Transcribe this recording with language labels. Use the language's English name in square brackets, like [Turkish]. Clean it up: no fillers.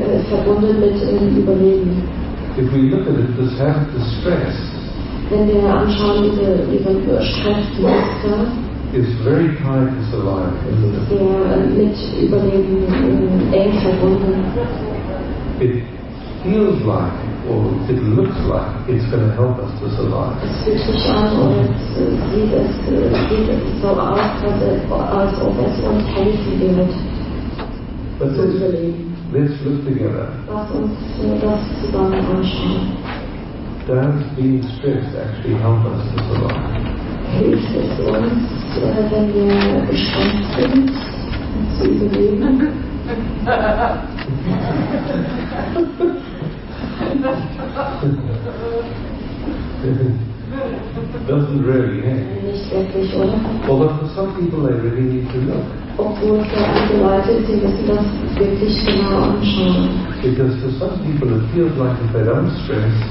[German] Verbunden mit dem Überleben. [English] If we look at it, this habit, the stress, [German] wenn wir anschauen, diese Stressmuster, [English] is very tied to survival, isn't it? [German] Mit Überleben eng verbunden. [English] It feels like, or it looks like, it's going to help us to survive. [German] Es fühlt sich an, oder es sieht so aus, als ob es uns helfen wird. [English] But let's look together. [German] Lass uns das zusammen anschauen. [English] Does being stressed actually help us to survive? [German] Hilft es uns, wenn wir gestresst sind, zu überleben? [English] Doesn't really, eh? [German] Nicht wirklich, oder? [English] Well, but for some people they really need to look. [German] Obwohl für einige Leute, sie müssen das wirklich genau anschauen. [English] Because for some people it feels like if they don't stress.